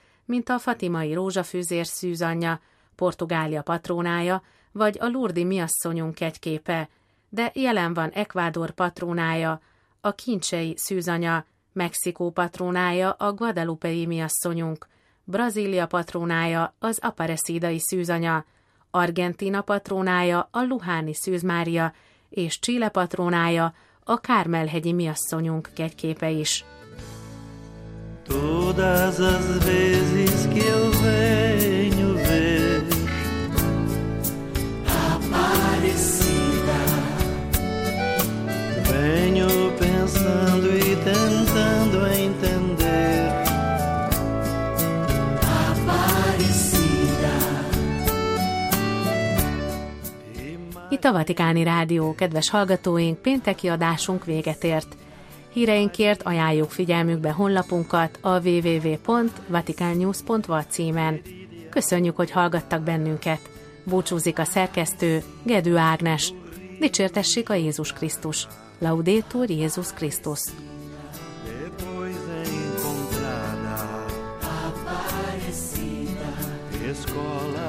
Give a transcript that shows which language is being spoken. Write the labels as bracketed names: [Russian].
[Hungarian] mint a fatimai rózsafűzér szűzanya, Portugália patrónája, vagy a lurdi miasszonyunk kegyképe, de jelen van Ecuador patrónája, a kincsei szűzanya, Mexikó patrónája a guadalupei miasszonyunk, Brazília patrónája az aparecidai szűzanya, Argentína patrónája a luháni Szűz Mária, és Chile patrónája a kármelhegyi miasszonyunk kegyképe is. [Portuguese] Todas as vezes que eu venho ver aparecida venho pensando e tentando entender aparecida. [Hungarian] Itt a Vatikáni Rádió, kedves hallgatóink, pénteki adásunk véget ért. Híreinkért ajánljuk figyelmükbe honlapunkat a www.vaticannews.va címen. Köszönjük, hogy hallgattak bennünket. Búcsúzik a szerkesztő, Gedő Ágnes. Dicsértessék a Jézus Krisztus. [Latin] Laudétur Jézus Krisztus. [Portuguese] Depois encontrada, aparecida, escola.